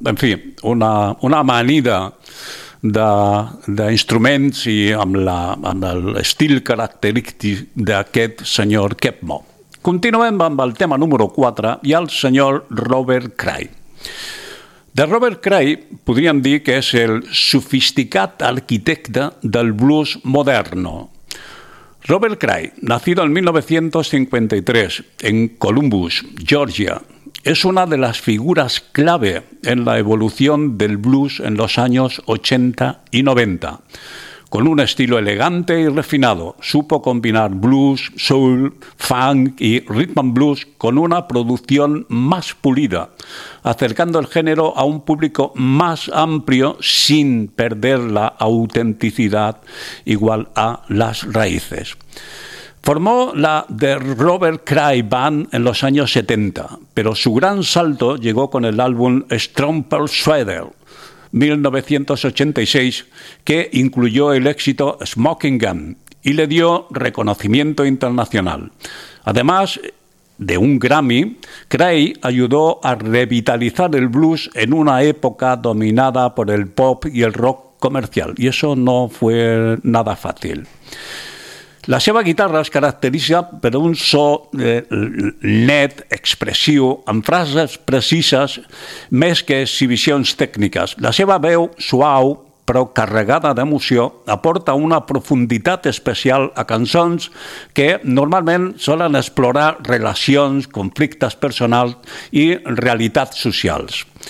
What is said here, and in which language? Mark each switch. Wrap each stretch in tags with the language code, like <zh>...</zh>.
<ca>En fi, una amanida d'instruments i amb l'estil característic d'aquest senyor Kepmo. Continuem amb el tema número 4 i el senyor Robert Cray. De Robert Cray podríem dir que és el sofisticat arquitecte del blues moderno.</ca> <es>Robert Cray, nacido en 1953 en Columbus, Georgia, es una de las figuras clave en la evolución del blues en los años 80 y 90. Con un estilo elegante y refinado, supo combinar blues, soul, funk y rhythm and blues con una producción más pulida, acercando el género a un público más amplio sin perder la autenticidad igual a las raíces. Formó la The Robert Cray Band en los años 70, pero su gran salto llegó con el álbum Strong Persuader, 1986, que incluyó el éxito Smoking Gun y le dio reconocimiento internacional. Además de un Grammy, Cray ayudó a revitalizar el blues en una época dominada por el pop y el rock comercial, y eso no fue nada fácil.</es> <ca>La seva guitarra es caracteritza per un so net, expressiu, amb frases precises més que exhibicions tècniques. La seva veu, suau però carregada d'emoció, aporta una profunditat especial a cançons que normalment solen explorar relacions, conflictes personals i realitats socials.</ca>